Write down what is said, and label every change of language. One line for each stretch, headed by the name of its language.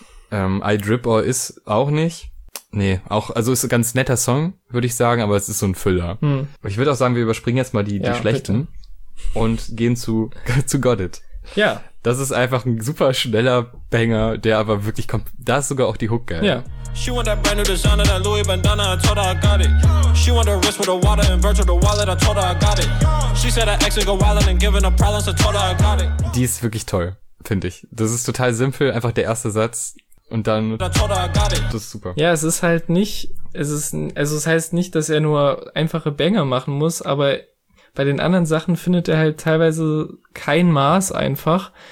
German: I Drip Or Is auch nicht. Nee, auch, also ist ein ganz netter Song, würde ich sagen, aber es ist so ein Füller. Hm. Ich würde auch sagen, wir überspringen jetzt mal die schlechten und gehen zu Got It. Ja. Das ist einfach ein super schneller Banger, der aber wirklich kommt. Da ist sogar auch die Hook geil. Ja.
English: She want that brand new designer, that Louis Bandana, I told her I got it. She want her wrist with the water and virtual the wallet, I told her I got it. She said her ex go wild and giving her problems, I told her I got it.
German: Die ist wirklich toll, finde ich. Das ist total simpel, einfach der erste Satz. Und dann, das ist super. Ja, es ist halt nicht, es heißt nicht, dass er nur einfache Banger machen muss, aber bei den anderen Sachen findet er halt teilweise kein Maß einfach.